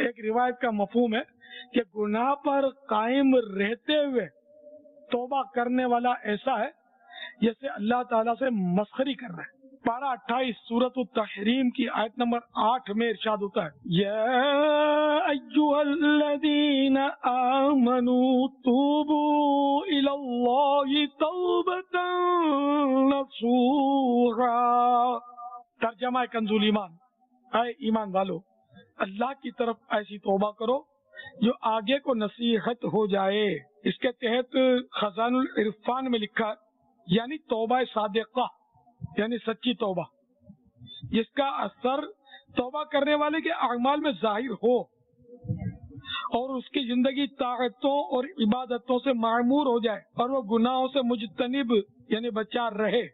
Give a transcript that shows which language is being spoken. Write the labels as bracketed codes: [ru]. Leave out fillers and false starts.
[ur] ایک روایت کا مفہوم ہے کہ گناہ پر قائم رہتے ہوئے توبہ کرنے والا ایسا ہے جیسے اللہ تعالیٰ سے مسخری کر رہا ہے پارہ 28 سورۃ التحریم کی آیت نمبر 8 میں ارشاد ہوتا ہے [ar] یا ایھا الذین الذين آمنوا توبوا إلى الله توبة نصوحا. [ur] ترجمہ کنزول ایمان، اے ایمان والو اللہ کی طرف ایسی توبہ کرو جو آگے کو نصیحت ہو جائے. اس کے تحت خزان العرفان میں لکھا یعنی توبہ صادقہ یعنی سچی توبہ جس کا اثر توبہ کرنے والے کے اعمال میں ظاہر ہو اور اس کی زندگی طاعتوں اور عبادتوں سے معمور ہو جائے اور وہ گناہوں سے مجتنب یعنی بچا رہے.